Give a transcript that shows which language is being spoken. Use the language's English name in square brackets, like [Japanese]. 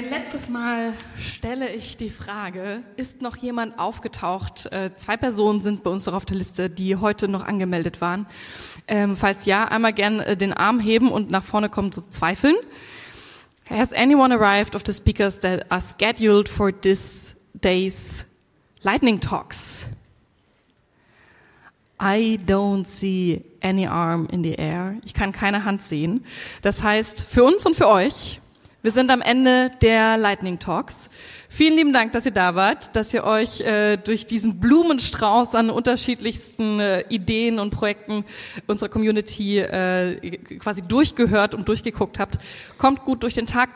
[German] Ein letztes Mal stelle ich die Frage, ist noch jemand aufgetaucht? Zwei Personen sind bei uns noch auf der Liste, die heute noch angemeldet waren. Falls ja, einmal gern den Arm heben und nach vorne kommen zu zweifeln. [English] Has anyone arrived of the speakers that are scheduled for this day's lightning talks? I don't see any arm in the air. [German] Ich kann keine Hand sehen. Das heißt, für uns und für euch, wir sind am Ende der Lightning Talks. Vielen lieben Dank, dass ihr da wart, dass ihr euch durch diesen Blumenstrauß an unterschiedlichsten Ideen und Projekten unserer Community quasi durchgehört und durchgeguckt habt. Kommt gut durch den Tag.